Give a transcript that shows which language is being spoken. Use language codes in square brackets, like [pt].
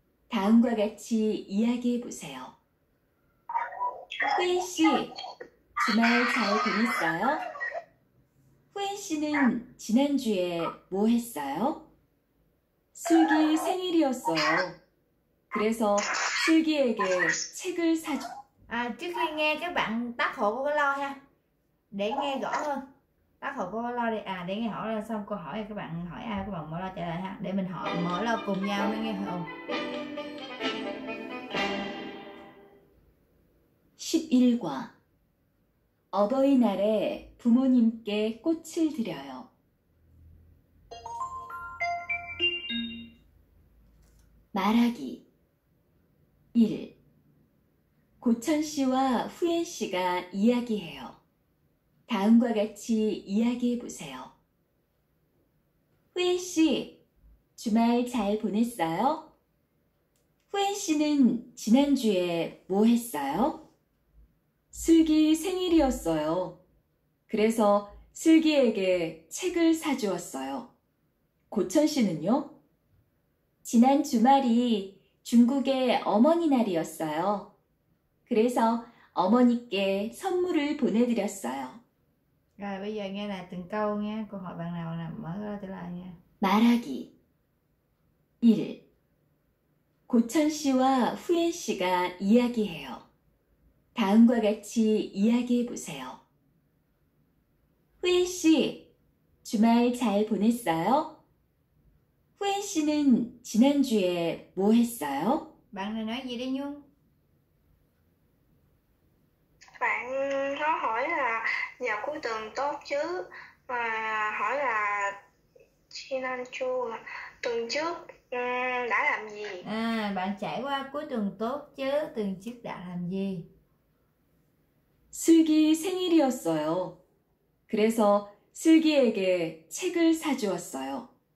[ko] 다음과 같이 이야기해 보세요. 후엔 씨, 주말 잘 보냈어요? 후엔 씨는 지난주에 뭐 했어요? 슬기 생일이었어요. 그래서 슬기에게 책을 사줘. [vi] 아, trước khi nghe các bạn tắt hộ cô lo ha. Để nghe rõ hơn. Tắt hộ cô lo đi. À, để nghe hỏi xong cô hỏi các bạn hỏi ai các bạn mở lo trả lời ha. Để mình hỏi mở lo cùng nhau mới nghe không. [ko] 11과 어버이날에 부모님께 꽃을 드려요. 말하기 1. 고천 씨와 후엔 씨가 이야기해요. 다음과 같이 이야기해 보세요. 후엔 씨, 주말 잘 보냈어요? 후엔 씨는 지난주에 뭐 했어요? 슬기 생일이었어요. 그래서 슬기에게 책을 사주었어요. 고천 씨는요? 지난 주말이 중국의 어머니 날이었어요. 그래서 어머니께 선물을 보내드렸어요. 자, 이제 [vi] nghe lại từng câu nha. Cô hỏi bạn nào là mở ra trở lại nha. [ko] 말하기 1. 고천 씨와 후엔 씨가 이야기해요. 다음과 같이 이야기해 보세요. 후엔 씨, 주말 잘 보냈어요? 후엔 씨는 지난주에 뭐 했어요? [vi] Bạn này nói gì đấy Nhung? Bạn có hỏi là dạo cuối tuần tốt chứ, mà hỏi là Chinanchu tuần trước đã làm gì? À, bạn trải qua cuối tuần tốt chứ, tuần trước đã làm gì? [ko] 슬기 생일이었어요. 그래서 슬기에게 책을 사주었어요.